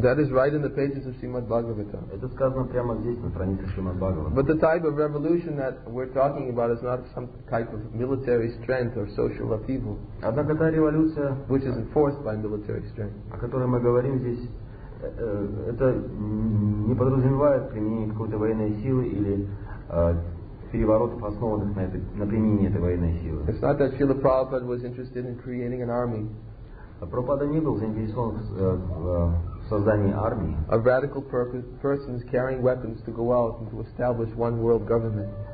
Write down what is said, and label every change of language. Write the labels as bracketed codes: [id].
[en] That is right in the pages of Shrimad Bhagavatam. [ru] Это сказано прямо здесь на странице Шримад Бхагаватам. [en] But the type of revolution that we're talking about is not some type of military strength or social upheaval. [ru] Однако та революция, [en] which is enforced by military strength, [ru] о которой мы говорим здесь, это не подразумевает применение какой-то военной силы или переворотов, основанных на применении этой военной силы. [en] It's not that Srila Prabhupada was interested in creating an army. [ru] Прабхупада не был заинтересован в создании армии. [en] A radical person is carrying weapons to go out and to establish one world government.